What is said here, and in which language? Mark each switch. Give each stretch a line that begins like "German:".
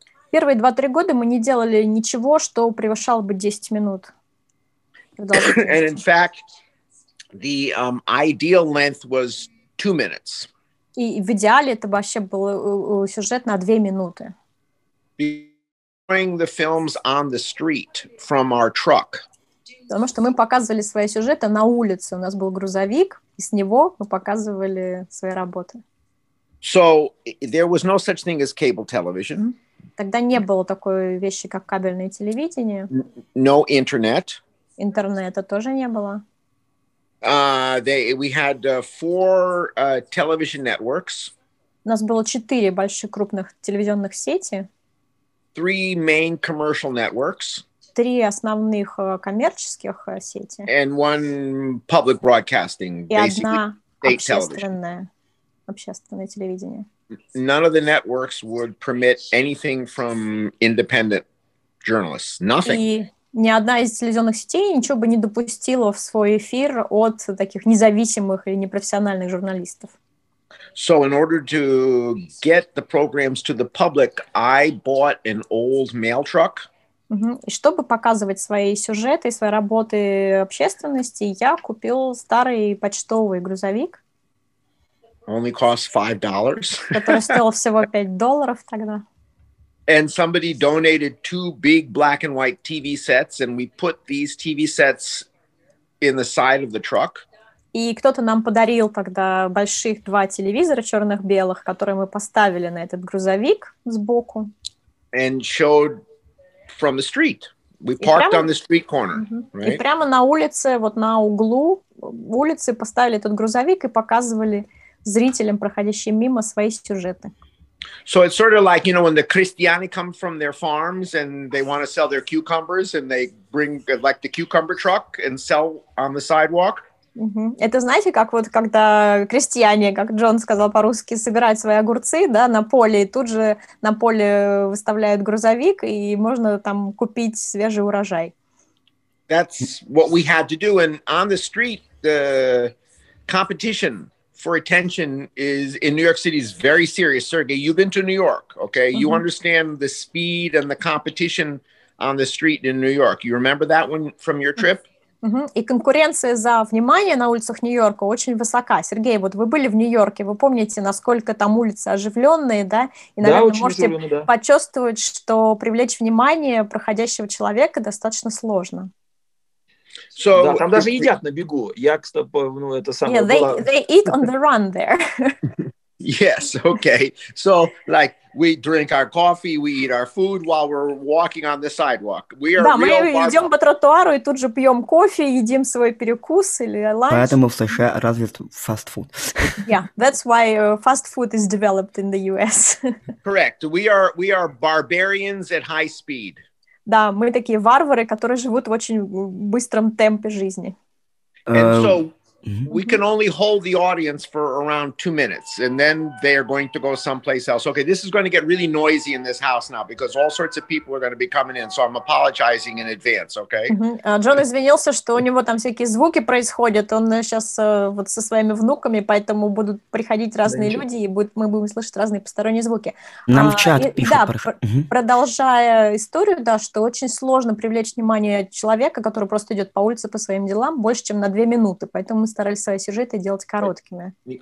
Russian: Первые 2-3 года мы не делали ничего, что превышало бы 10 минут.
English: And in fact, the ideal length was 2 minutes.
Russian: И в идеале это вообще был сюжет на 2 минуты.
English: Bring the films on the street from our truck.
Russian: Потому что мы показывали свои сюжеты на улице. У нас был грузовик, и с него мы показывали свои работы.
English: So there was no such thing as cable television.
Russian: Тогда не было такой вещи, как кабельное телевидение.
English: No internet.
Russian: Интернета тоже не было.
English: We had four television networks.
Russian: У нас было 4 больших крупных телевизионных сети.
English: 3 main commercial networks.
Russian: 3 основных коммерческих сети.
English: And one public broadcasting,
Russian: и одна общественное телевидение.
English: None of the networks would permit anything from independent journalists. Nothing.
Russian: И ни одна из телевизионных сетей ничего бы не допустила в свой эфир от таких независимых или непрофессиональных журналистов.
English: So in order to get the programs to the public, I bought an old mail truck. Угу.
Russian: И чтобы показывать свои сюжеты, свои работы общественности, я купил старый почтовый грузовик.
English: Only cost $5.
Russian: Который стоил всего $5 тогда.
English: And somebody donated 2 big black and white TV sets, and we put these TV sets in the side of the truck.
Russian: И кто-то нам подарил тогда больших 2 телевизора черных-белых, которые мы поставили на этот грузовик сбоку.
English: And showed from the street. We parked on the street corner. Uh-huh. Right?
Russian: И прямо на улице, вот на углу улицы поставили этот грузовик и показывали зрителям, проходящим мимо, свои сюжеты.
English: So it's sort of like, you know, when the Christiani come from their farms and they want to sell their cucumbers and they bring like the cucumber truck and sell on the sidewalk. Mm-hmm.
Russian: Это знаете, как вот когда крестьяне, как Джон сказал по-русски, собирают свои огурцы, да, на поле, и тут же на поле выставляют грузовик, и можно там купить свежий урожай.
English: That's what we had to do, and on the street, the competition for attention is in New York City is very serious. Sergey, you've been to New York, okay? Mm-hmm. You understand the speed and the competition on the street in New York. You remember that one from your trip? Угу.
Russian: И конкуренция за внимание на улицах Нью-Йорка очень высока. Сергей, вот вы были в Нью-Йорке, вы помните, насколько там улицы оживленные, да? И, наверное, да, можете почувствовать, что привлечь внимание проходящего человека достаточно сложно. So, да, там даже едят на бегу. Я, кстати, ну, это самое...
English: Yeah, they eat on the run there. Yes, okay. So, like, we drink our coffee, we eat our food while we're walking on the sidewalk. We are
Russian: да,
English: real
Russian: мы идем по тротуару и тут же пьем кофе, едим свой перекус или ланч. Поэтому в США развит fast food.
English: Yeah, that's why fast food is developed in the US. Correct. We are barbarians at high speed.
Russian: Да, мы такие варвары, которые живут в очень быстром темпе жизни. Mm-hmm.
English: We can only hold the audience for around 2 minutes, and then they are going to go someplace else. Okay, this is going to get really noisy in this house now, because all sorts of people are going to be coming in, so I'm apologizing in advance, okay?
Russian: Джон извинился, что у него там всякие звуки происходят, он сейчас вот со своими внуками, поэтому будут приходить разные люди, и мы будем слышать разные посторонние звуки. Нам в чат пишут. Да, продолжая историю, да, что очень сложно привлечь внимание человека, который просто идет по улице по своим делам, больше, чем на 2 минуты, поэтому мы старались свои сюжеты делать короткими.